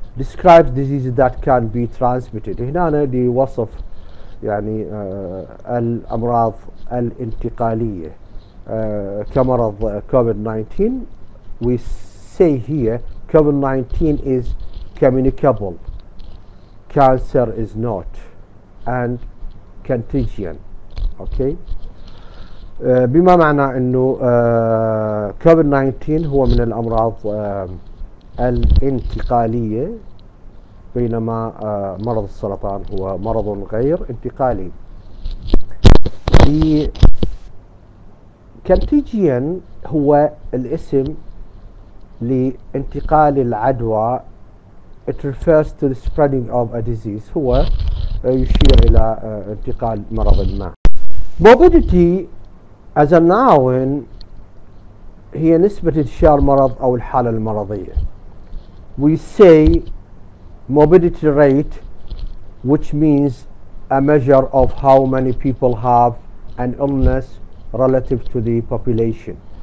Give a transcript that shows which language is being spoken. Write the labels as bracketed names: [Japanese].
[English] Describes disease that can be transmitted. [Arabic] هنا لوصف يعني الأمراض الانتقالية كمرض COVID-19. [English] We say here COVID-19 is communicable. Cancer is not. And contagion. Okay. [Arabic] بما معنى انه COVID-19 هو من الامراض الانتقالية، بينما مرض السرطان هو مرض غير انتقالي. The contagion هو الاسم لانتقال العدوى. [English] It refers to the spreading of a disease. [Arabic] هو يشير إلى انتقال مرض ما. [English] Morbidity as a noun [Arabic] هي نسبة انتشار مرض أو الحالة المرضية. [English] We say morbidity rate, which means a measure of how many people have an illness relative to the population.